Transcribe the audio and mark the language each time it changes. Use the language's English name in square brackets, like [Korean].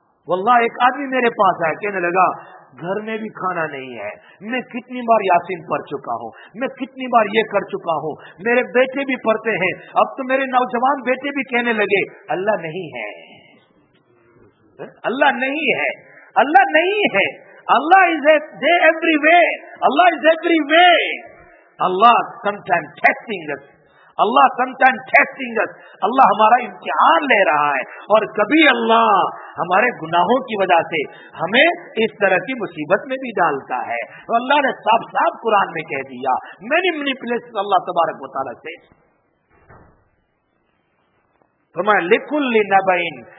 [Urdu] واللہ ایک آدمی میرے پاس آیا، کہنے لگا گھر میں بھی کھانا نہیں ہے، میں کتنی بار یاسین پڑھ چکا ہوں، میں کتنی بار یہ کر چکا ہوں، میرے بیٹے بھی پڑھتے ہیں، اب تو میرے نوجوان بیٹے بھی کہنے لگے اللہ نہیں ہے، اللہ نہیں ہے، اللہ نہیں ہے. [English] Allah is there every way, Allah is every way. Allah some time testing us, Allah some time testing us, [Urdu] اللہ ہمارا امتحان لے رہا ہے. اور کبھی اللہ ہمارے گناہوں کی وجہ سے ہمیں اس طرح کی مصیبت میں بھی ڈالتا ہے. تو اللہ نے صاف صاف قرآن میں کہہ دیا، [English] many many place [Urdu] اللہ تبارک و تعالیٰ سے فرمایا لکل نبئین.